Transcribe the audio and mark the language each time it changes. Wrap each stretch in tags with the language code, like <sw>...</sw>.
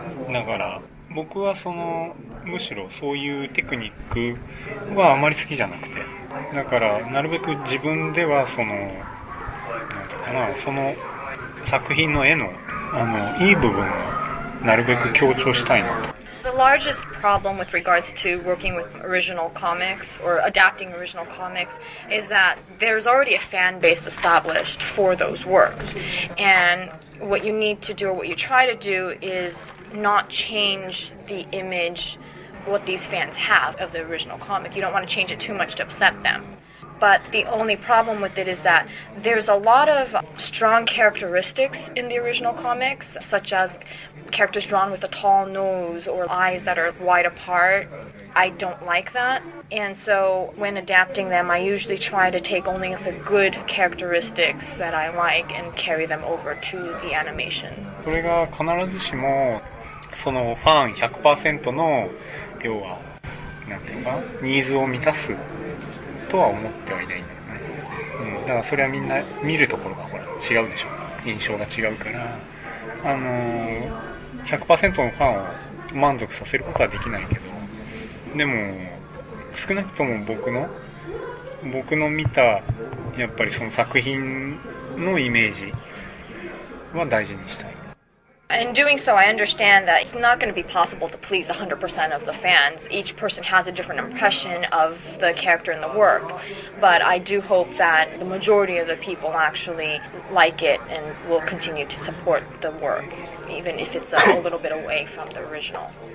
<ja>だから僕はそのむしろそういうテクニックはあまり好きじゃなくて、だからなるべく自分ではそのなんていうかな、その作品の絵の、あの、いい部分をなるべく強調したいなと。</ja> <en>The largest problem with regards to working with original comics or adapting original comics is that there's already a fan base established for those works. And what you need to do or what you try to do is not change the image what these fans have of the original comic. You don't want to change it too much to upset them. But the only problem with it is that there's a lot of strong characteristics in the original comics, such as characters drawn with a tall nose or eyes that are wide apart. I don't like that. And so when adapting them, I usually try to take only the good characteristics that I like and carry them over to the animation.</en> <ja>それが必ずしもそのファン 100% の要はなんていうか、ニーズを満たすとは思ってはいないんだよね。だからそれはみんな見るところがほら違うでしょ。印象が違うから、100% のファンを満足させることはできないけど、でも少なくとも僕の僕の見たやっぱりその作品のイメージは大事にしたい。</ja> <en>In doing so, I understand that it's not going to be possible to please 100% of the fans. Each person has a different impression of the character in the work. But I do hope that the majority of the people actually like it and will continue to support the work, even if it's a little bit away from the original.</en>